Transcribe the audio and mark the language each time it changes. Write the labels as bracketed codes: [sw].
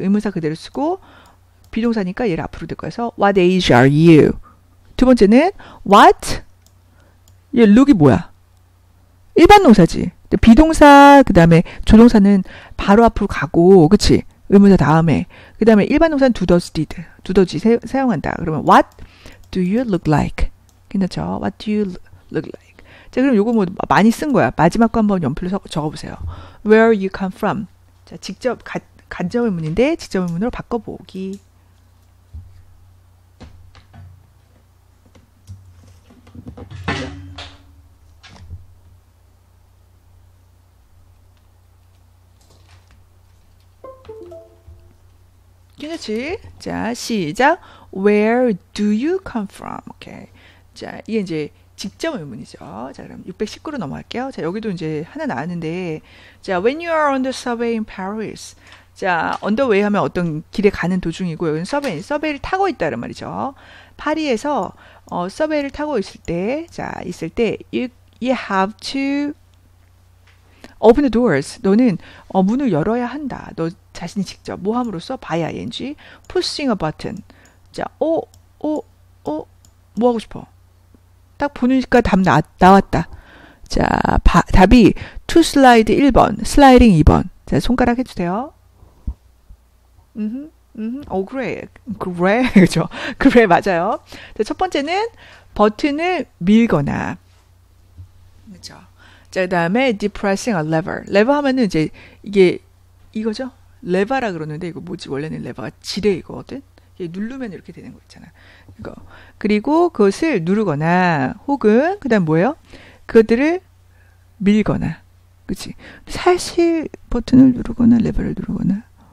[ko] 의문사 그대로 쓰고 비동사니까 얘를 앞으로 들 거여서 [en] what age are you? [ko] 두 번째는 what? 얘 look이 뭐야? 일반 동사지. 비동사, 그 다음에 조동사는 바로 앞으로 가고, 그치? 의문사 다음에. 그 다음에 일반 동사는 do does did. 두더지 사용한다. 그러면 [en] what do you look like? [ko] 괜찮죠? [en] What do you look like? [ko] 자, 그럼 요거 뭐 많이 쓴 거야. 마지막 거 한번 연필로 적어보세요. [en] Where you come from? [ko] 자, 직접, 간접 의문인데 직접 의문으로 바꿔보기. 그렇지. 자, 시작. [en] Where do you come from? 오케이. [ko] 자, 이게 이제 직접 의문이죠. 자, 그럼 619로 넘어갈게요. [en] 자, 여기도 이제 하나 나왔는데, 자, when you are on the subway in Paris. [ko] 자, on the way 하면 어떤 길에 가는 도중이고, 여기는 subway, subway를 타고 있다는 말이죠. 파리에서 subway를 타고 있을 때, 자, 있을 때, [en] you have to open the doors. [ko] 너는 문을 열어야 한다. 너 자신이 직접 모함으로써 [en] by ing pushing a button. [ko] 자, 뭐 하고 싶어? 딱 보니까 답 나왔다. 자, 답이 to slide 1번, sliding 2번. 자, 손가락 해 주세요. 그래. 그렇죠. 그래 맞아요. 자, 첫 번째는 버튼을 밀거나. 그렇죠. [en] 자, 그다음에 depressing a lever. [ko] 레버 하면은 이제 이게 이거죠. 레버라 그러는데 이거 뭐지? 원래는 레버가 지뢰 이거거든. 이게 누르면 이렇게 되는 거 있잖아. 이거. 그리고 그것을 누르거나 혹은 그다음 뭐예요? 그것들을 밀거나. 그렇지? 사실 버튼을 누르거나 레버를 누르거나.